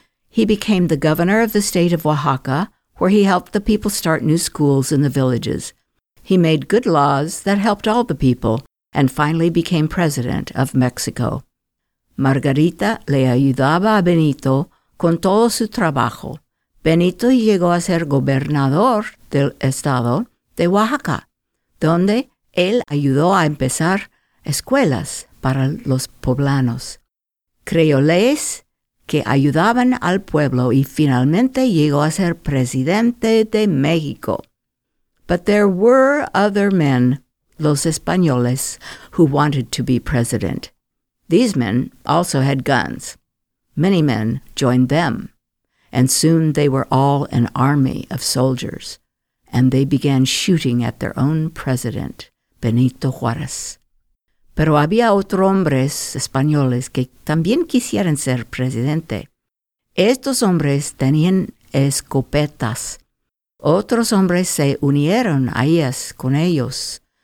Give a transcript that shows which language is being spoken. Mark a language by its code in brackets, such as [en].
[en] He became the governor of the state of Oaxaca, where he helped the people start new schools in the villages. He made good laws that helped all the people, and finally became president of Mexico. [es] Margarita le ayudaba a Benito con todo su trabajo. Benito llegó a ser gobernador del estado de Oaxaca, donde él ayudó a empezar escuelas para los poblanos. Creó leyes que ayudaban al pueblo y finalmente llegó a ser presidente de México. [en] But there were other men, [es] los españoles, [en] who wanted to be president. These men also had guns. Many men joined them, and soon they were all an army of soldiers, and they began shooting at their own president, Benito Juárez. [es] Pero había otros hombres españoles que también quisieran ser presidente. Estos hombres tenían escopetas. Otros hombres se unieron a ellas con ellos.